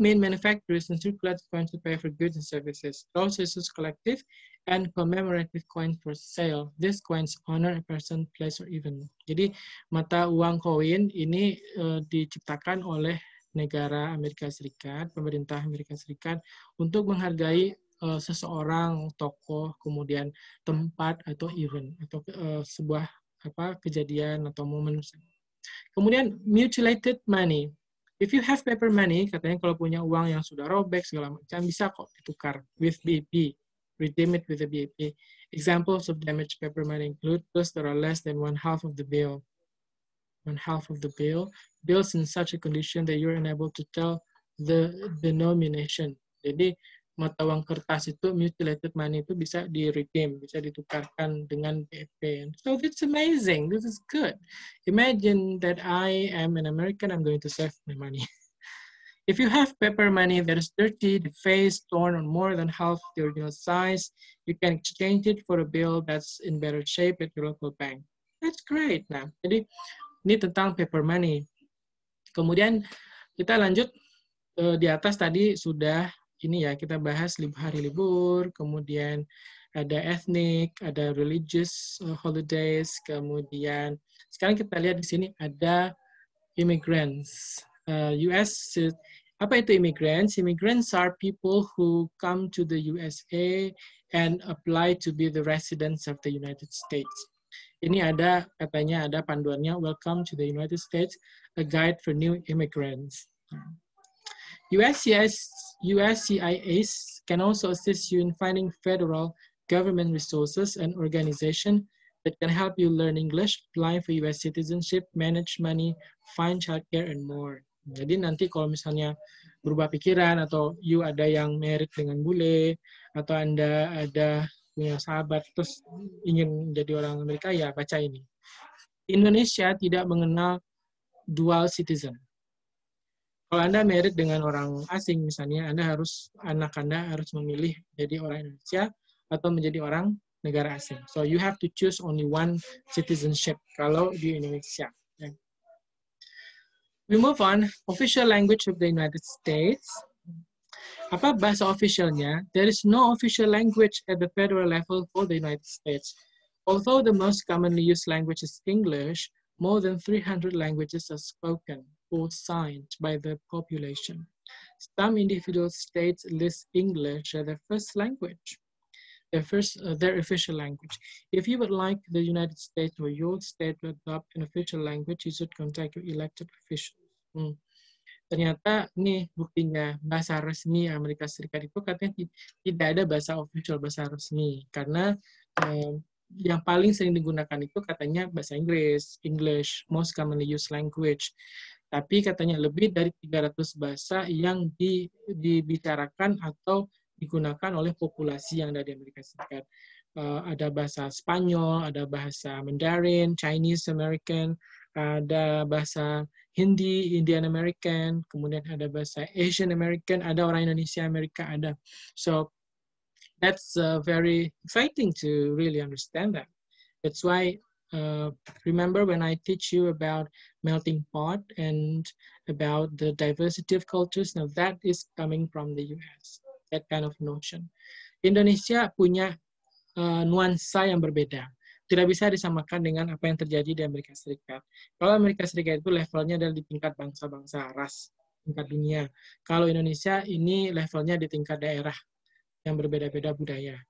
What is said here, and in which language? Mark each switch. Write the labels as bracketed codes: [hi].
[en] main manufacturers and circulate coins to pay for goods and services. Those issues collective and commemorative coins for sale. These coins honor a person, place, or even. [id] Jadi mata uang koin ini diciptakan oleh negara Amerika Serikat, pemerintah Amerika Serikat untuk menghargai seseorang, tokoh, kemudian tempat atau event atau sebuah apa kejadian atau momen. Kemudian mutilated money. [en] If you have paper money, [id] katanya kalau punya uang yang sudah robek segala macam bisa kok ditukar with BEP. [en] Redeem it with the BEP. Examples of damaged paper money include those that are less than one half of the bill. One half of the bill. Bills in such a condition that you're unable to tell the denomination. [id] Jadi mata uang kertas itu mutilated money itu bisa di redeem, bisa ditukarkan dengan BEP. [en] So it's amazing. This is good. Imagine that I am an American. I'm going to save my money. If you have paper money that is dirty, defaced, torn, or more than half the original size, you can exchange it for a bill that's in better shape at your local bank. That's great. [id] Nah, jadi ini tentang paper money. Kemudian kita lanjut di atas tadi sudah ini ya, kita bahas hari libur, kemudian ada ethnic, ada religious holidays, kemudian sekarang kita lihat di sini ada immigrants. US Apa itu immigrants? [en] Immigrants are people who come to the USA and apply to be the residents of the United States. [id] Ini ada katanya, ada panduannya, [en] welcome to the United States, a guide for new immigrants. USCIS can also assist you in finding federal government resources and organization that can help you learn English, apply for US citizenship, manage money, find childcare, and more. [id] Jadi nanti kalau misalnya berubah pikiran atau you ada yang married dengan bule atau Anda ada punya sahabat terus ingin jadi orang Amerika, ya baca ini. Indonesia tidak mengenal dual citizen. Kalau Anda married dengan orang asing misalnya, Anda harus, anak Anda harus memilih jadi orang Indonesia atau menjadi orang negara asing. [en] So you have to choose only one citizenship [id] kalau di Indonesia. [en] We move on, official language of the United States. [id] Apa bahasa officialnya? [en] There is no official language at the federal level for the United States. Although the most commonly used language is English, more than 300 languages are spoken or signed by the population. Some individual states list English as their first language, their official language. If you would like the United States or your state to adopt an official language, you should contact your elected official. [id] Ternyata nih buktinya bahasa resmi Amerika Serikat itu katanya tidak ada bahasa official, bahasa resmi, karena yang paling sering digunakan itu katanya bahasa Inggris, English, [en] most commonly used language. [id] Tapi katanya lebih dari 300 bahasa yang dibicarakan atau digunakan oleh populasi yang ada di Amerika Serikat. Ada bahasa Spanyol, ada bahasa Mandarin, Chinese American, ada bahasa Hindi, Indian American, kemudian ada bahasa Asian American, ada orang Indonesia Amerika, ada. [en] So that's very exciting to really understand that. That's why, remember when I teach you about melting pot and about the diversity of cultures, now that is coming from the US, that kind of notion. [id] Indonesia punya nuansa yang berbeda. Tidak bisa disamakan dengan apa yang terjadi di Amerika Serikat. Kalau Amerika Serikat itu levelnya adalah di tingkat bangsa-bangsa, ras, tingkat dunia. Kalau Indonesia ini levelnya di tingkat daerah yang berbeda-beda budaya.